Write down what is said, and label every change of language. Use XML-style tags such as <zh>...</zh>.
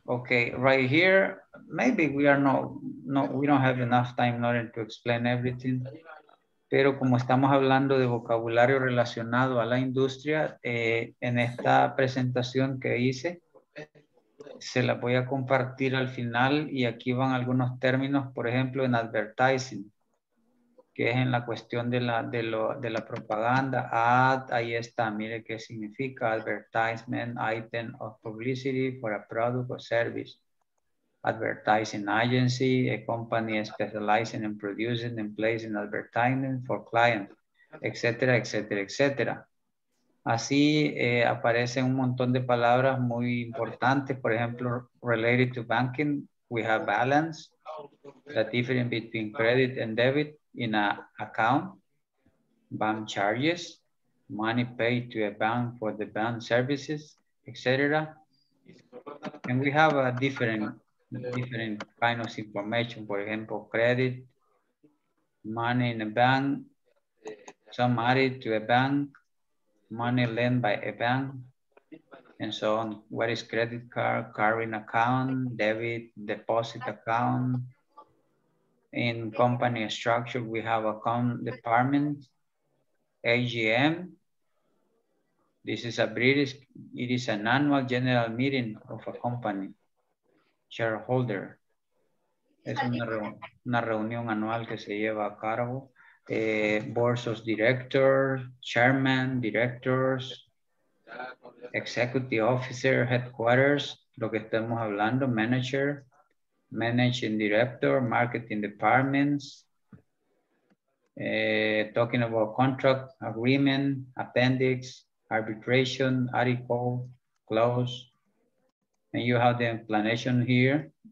<en>Okay, right here, maybe we are not, we don't have enough time in order to explain everything.</en> <es>Pero como estamos hablando de vocabulario relacionado a la industria, en esta presentación que hice, se la voy a compartir al final y aquí van algunos términos, por ejemplo, en advertising. Que es en la cuestión de la propaganda, ad, ahí está, mire qué significa, advertisement,</es> <en>item of publicity for a product or service. advertising agency, a company specializing in producing and placing advertisement for clients, etcétera, etcétera, etcétera.</en> <es>Así aparecen un montón de palabras muy importantes. Por ejemplo,</es> <en>related to banking, we have balance, the difference between credit and debit in an account, bank charges, money paid to a bank for the bank services, etc. And we have a different kind of information. For example, credit, money in a bank, some added to a bank, money lent by a bank, and so on. What is credit card, current account, debit, deposit account. In company structure, we have account department, AGM. This is a British, it is an annual general meeting of a company, shareholder.</en> <es>Es una reunión anual que se lleva a cargo.</es> <en>Boards of directors, chairman, directors, executive officer, headquarters,</en> <es>lo que estamos hablando,</es> <en>manager, managing director, marketing departments, talking about contract agreement, appendix, arbitration, article, clause, and you have the explanation here,</en>